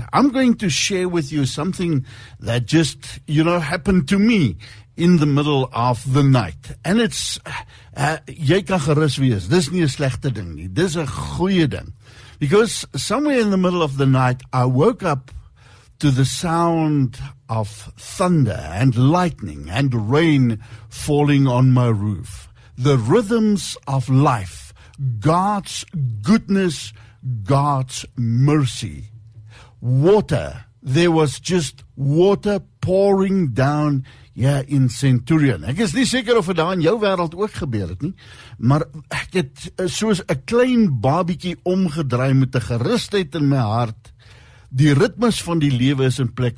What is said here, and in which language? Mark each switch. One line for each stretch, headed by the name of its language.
English: I'm going to share with you something that just, you know, happened to me in the middle of the night. And it's,
Afrikaans: jy kan gerus wees, dis nie 'n slegte ding nie, dis 'n goeie ding.
English: Because somewhere in the middle of the night, I woke up to the sound of thunder and lightning and rain falling on my roof. The rhythms of life, God's goodness, God's mercy. Water, there was just water pouring down here in Centurion.
Afrikaans: Ek is nie seker of dit in jou wêreld ook gebeur het nie, maar ek het soos 'n klein babietjie omgedraai met 'n gerusheid in my hart. Die ritmes van die lewe is in plek.